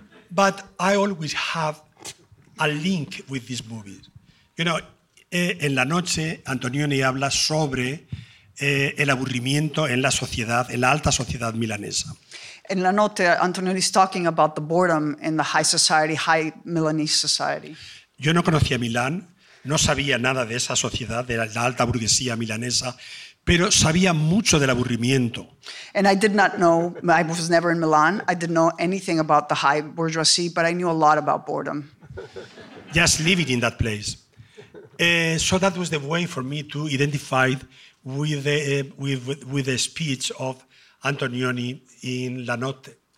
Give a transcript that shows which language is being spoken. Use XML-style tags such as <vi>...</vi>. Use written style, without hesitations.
<en>But I always have a link with these movies. You know,</en> <es>en La Noche, Antonioni habla sobre el aburrimiento en la sociedad, en la alta sociedad milanesa.</es> <en>En La Noche, Antonioni is talking about the boredom in the high society, high Milanese society.</en> <es>Yo no conocía Milán, no sabía nada de esa sociedad, de la alta burguesía milanesa, pero sabía mucho del aburrimiento.</es> <en>And I did not know, I was never in Milan, I didn't know anything about the high bourgeoisie, but I knew a lot about boredom. Just living in that place. So that was the way for me to identify with the speech of Antonioni in La Notte.</en>